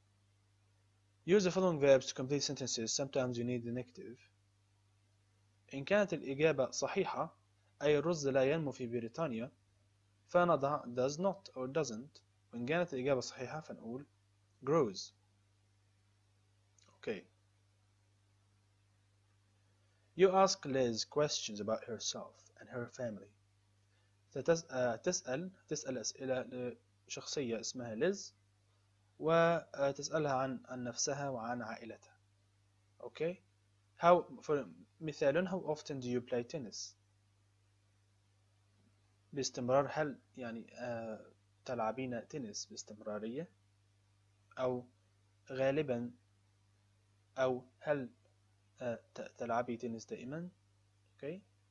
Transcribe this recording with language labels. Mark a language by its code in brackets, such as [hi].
[en] Okay, use the following verbs to complete sentences. Sometimes you need the negative. [ar] إن كانت الإجابة صحيحة، أي الرز لا ينمو في بريطانيا، فنضع [en] does not or doesn't. [ar] وإن كانت الإجابة صحيحة فنقول grows. [en] Okay. You ask Liz questions about herself and her family. [ar] تسأل أسئلة لشخصية اسمها ليز، وتسألها عن نفسها وعن عائلتها. [en] Okay. How often do you play tennis؟ [ar] باستمرار، هل يعني تلعبين تنس باستمرارية؟ أو غالبا؟ أو هل تلعبي تنس دائما؟ Okay.